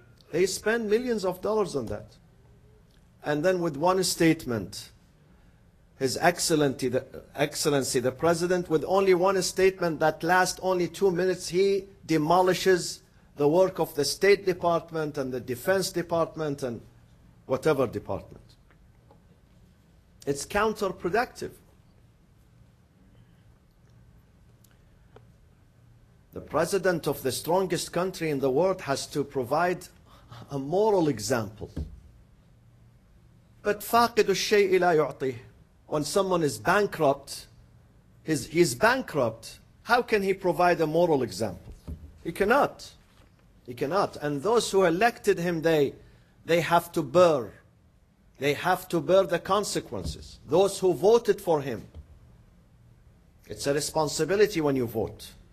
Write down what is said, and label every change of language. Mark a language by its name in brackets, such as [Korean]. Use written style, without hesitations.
[English] They spend millions of dollars on that. And then with one statement, His Excellency, the President, with only one statement that lasts only 2 minutes, he demolishes the work of the State Department and the Defense Department and whatever department. It's counterproductive. The president of the strongest country in the world has to provide a moral example. But [Arabic] فاقد الشيء لا يعطيه. [English] When someone is bankrupt, he's bankrupt, how can he provide a moral example? He cannot. He cannot. And those who elected him, they have to bear. They have to bear the consequences. Those who voted for him, it's a responsibility when you vote.